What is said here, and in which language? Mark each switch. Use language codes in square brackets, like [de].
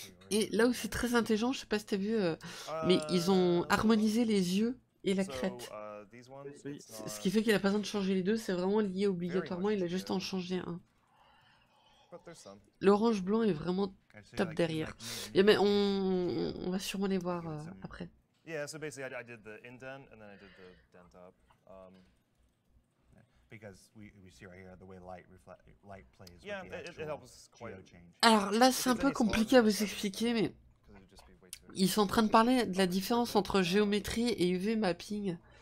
[fr] Et là où c'est très intelligent, je sais pas si t'as vu, mais ils ont harmonisé les yeux et la crête. Ce qui fait qu'il a pas besoin de changer les deux, c'est vraiment lié obligatoirement, il a juste à en changer un. L'orange blanc est vraiment top derrière. Yeah, mais on va sûrement les voir après. [en] Yeah, so basically I did the indent and then I did the dent up. Because we see right here the way light plays with it helps quite a change. [fr] Alors là c'est un peu compliqué à vous expliquer, mais ils sont en train de parler de la différence entre géométrie et UV mapping.